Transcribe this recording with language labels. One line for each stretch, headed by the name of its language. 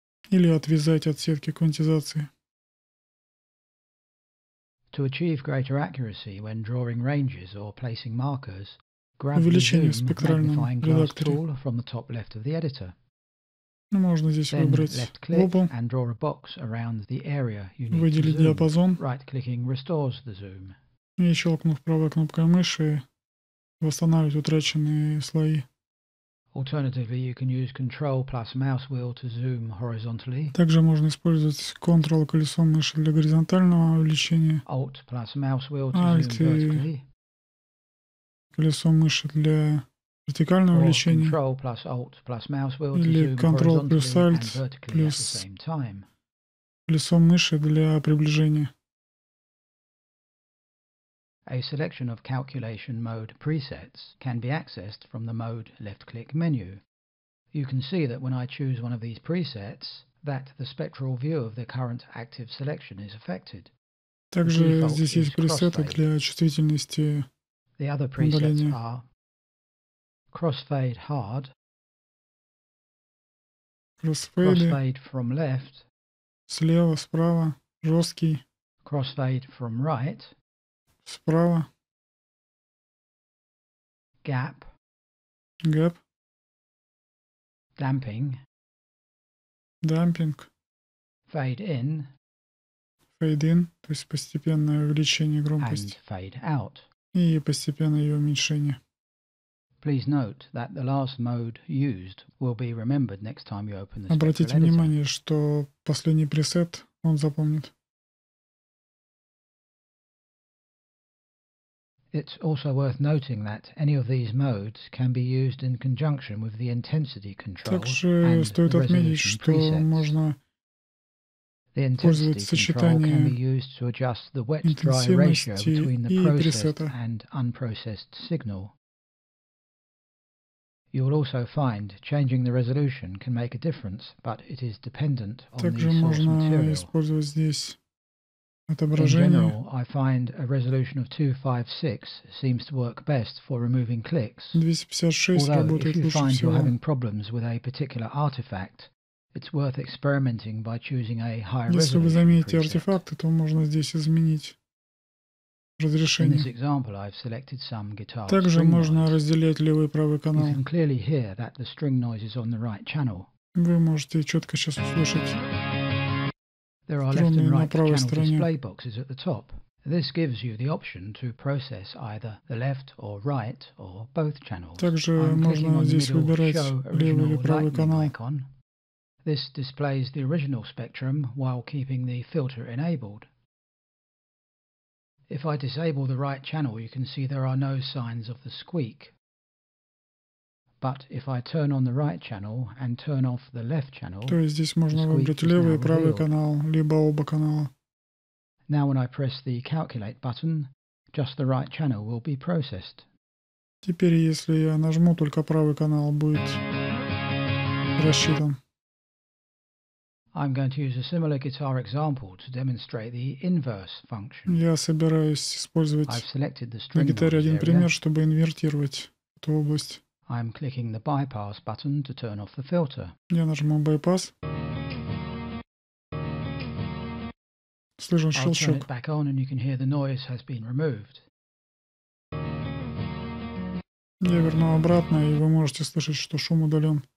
Russian: Или отвязать от сетки квантизации.
English: To achieve greater accuracy when drawing ranges or placing markers, grab the magnifying glass tool from the top left of the editor.
Russian: Можно здесь выбрать оба,
English: and draw a box around the area you need.
Russian: Выделить диапазон.
English: Right-clicking restores the zoom.
Russian: И щелкнув правой кнопкой мыши, восстановить утраченные слои.
English: Alternatively, you can use Control plus mouse wheel to zoom horizontally.
Russian: Также можно использовать Control колесо мыши для горизонтального увеличения.
English: Alt plus mouse wheel to zoom vertically.
Russian: Колесо мыши для вертикального увеличения.
English: Control plus Alt plus mouse wheel to zoom horizontally.
Russian: Или Control плюс Alt плюс колесо мыши для приближения.
English: A selection of calculation mode presets can be accessed from the mode left-click menu. You can see that when I choose one of these presets, that the spectral view of the current active selection is affected.
Russian: Также здесь есть пресеты для чувствительности.
English: The other presets are crossfade hard, crossfade from left,
Russian: слева, справа, жесткий,
English: crossfade from right.
Russian: Справа.
English: Gap. Gap. Damping. Damping. Fade in. Fade in.
Russian: То есть постепенное увеличение громкости.
English: And fade out.
Russian: И постепенное ее уменьшение.
English: Please note that the last mode used will be remembered next time you open the spectral editor.
Russian: Обратите внимание, что последний пресет он запомнит.
English: It's also worth noting that any of these modes can be used in conjunction with the intensity control.
Russian: Также стоит отметить, что можно использовать сочетание интенсивности и пресета.
English: And unprocessed signal. You will also find changing the resolution can make a difference, but it is dependent on the source material.
Russian: Также можно использовать здесь отображение.
English: In general, I find a resolution of 256 seems to work best for removing clicks.
Russian: 256 работает лучше всего.
English: If you find you're having problems with a particular artifact, it's worth experimenting by choosing a higher resolution.
Russian: Если вы заметите артефакты, то можно здесь изменить разрешение.
English: In this example, I've selected some guitar.
Russian: Также можно разделять левый и правый канал.
English: You can clearly hear that the string noise is on the right channel.
Russian: Вы можете четко сейчас услышать.
English: There are left and right channel display boxes at the top. This gives you the option to process either the left or right or both channels.
Russian: Также можно здесь выбирать левый или правый канал.
English: This displays the original spectrum while keeping the filter enabled. If I disable the right channel, you can see there are no signs of the squeak. But if I turn on the right channel and turn off the left channel,
Russian: то есть здесь можно выбрать левый и правый канал, либо оба канала.
English: Now when I press the calculate button, just the right channel will be processed.
Russian: Теперь, если я нажму, только правый канал будет рассчитан.
English: I'm going to use a similar guitar example to demonstrate the inverse function.
Russian: Я собираюсь использовать на гитаре один пример, чтобы инвертировать эту область.
English: I'm clicking the bypass button to turn off the filter.
Russian: Я нажму bypass. Слышу щелчок.
English: I'll turn it back on and you can hear the noise has been removed.
Russian: Я верну обратно, и вы можете слышать, что шум удален.